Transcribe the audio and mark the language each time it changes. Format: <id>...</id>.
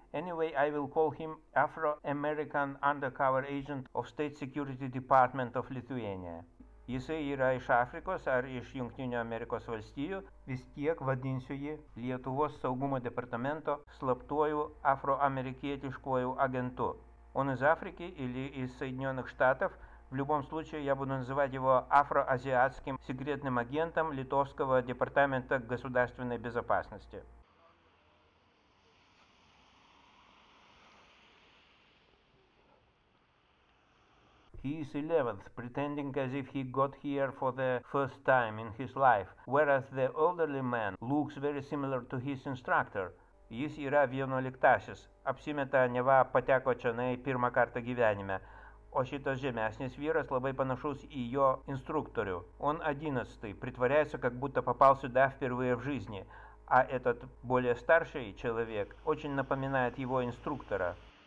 <en>Anyway, I will call him Afro-American Undercover Agent of State Security Department of Lithuania.</en> <lt>Jisai yra iš Afrikos ar iš Jungtinių Amerikos valstijų. Vis tiek vadinsiu jį Lietuvos saugumo departamento slaptuoju afroamerikietiškuoju agentu.</lt> <ru>Он из Африки или из Соединенных Штатов. В любом случае, я буду называть его афроазиатским секретным агентом Литовского департамента государственной безопасности.</ru> <en>He is 11th, pretending as if he got here for the first time in his life, whereas the elderly man looks very similar to his instructor.</en> <lt>Jis yra 11-asis, apsimeta neva pateko čionai pirmą kartą gyvenime, o šitas žemesnis vyras labai panašus į jo instruktorių.</lt> <ru>Он 11-ый, pritvarėsiu, как будто попал сюда впервые в жизни, а этот более старший человек очень напоминает его инструктора.</ru>